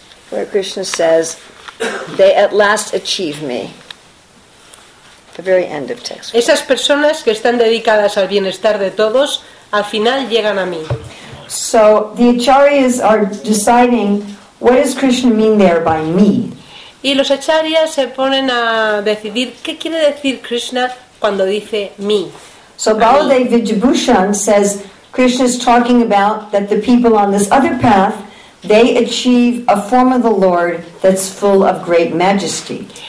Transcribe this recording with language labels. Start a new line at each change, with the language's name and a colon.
English: where Krishna says, they at last achieve me. The very end of text 4.
Spanish: Esas personas que están dedicadas al bienestar de todos, al final llegan a mí.
English: So the acharyas are deciding, what does Krishna mean there by me?
Spanish: Y los acharyas se ponen a decidir qué quiere decir Krishna cuando dice mí.
English: So Baladev Vijayabhushan says Krishna is talking about that the people on this other path, they achieve a form of the Lord that's full of great majesty.